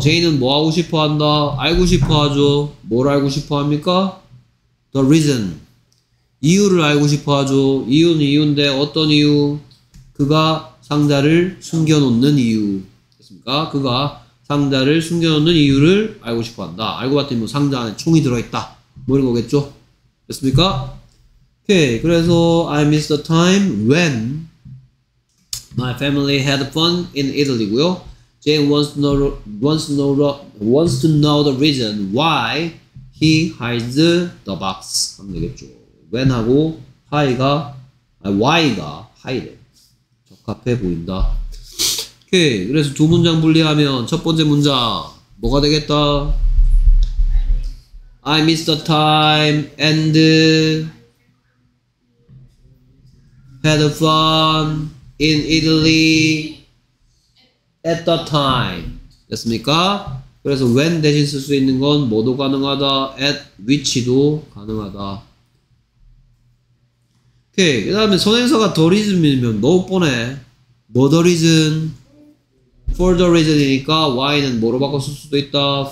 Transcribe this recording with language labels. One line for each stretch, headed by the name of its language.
Korean: Jane은 뭐 하고 싶어 한다? 알고 싶어 하죠. 뭘 알고 싶어 합니까? The reason. 이유를 알고 싶어 하죠. 이유는 이유인데 어떤 이유? 그가 상자를 숨겨놓는 이유. 됐습니까? 그가 상자를 숨겨놓는 이유를 알고 싶어 한다. 알고 봤더니 뭐 상자 안에 총이 들어있다. 뭐 이런 거겠죠? 됐습니까? 오케이.
English: 그래서 I miss the time when my family had fun in Italy고요. Jane wants to know the reason why he hides the box.
Korean: 하면 되겠죠. When 하고 why가 hide 적합해 보인다. 오케이. 그래서 두 문장 분리하면 첫 번째 문장 뭐가 되겠다?
English: I miss the time and had fun in Italy at the time.
Korean: 됐습니까? 그래서 when 대신 쓸 수 있는 건 뭐도 가능하다. at which도 가능하다. 오케이. 그 다음에 선행사가 the reason이면 너무 뻔해. What the reason? For the reason 이니까 why는 뭐로 바꿨을 수도 있다.